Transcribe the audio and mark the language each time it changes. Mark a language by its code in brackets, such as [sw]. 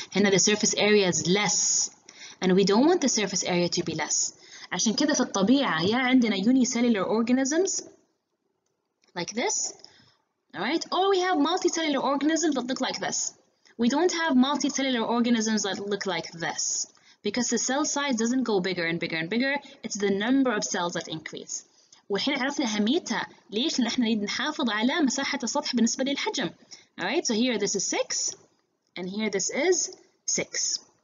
[ar] هنا [en] the surface area is less. And we don't want the surface area to be less. [ar] عشان كده في الطبيعة يا عندنا [en] unicellular organisms like this. Alright. Or we have multicellular organisms that look like this. We don't have multicellular organisms that look like this. Because the cell size doesn't go bigger and bigger and bigger. It's the number of cells that increase. [ar] وحين عرفنا أهميتها ليش نحن نريد نحافظ على مساحة السطح بالنسبة للحجم. [en] Alright, so here this is 6 and here this is 6.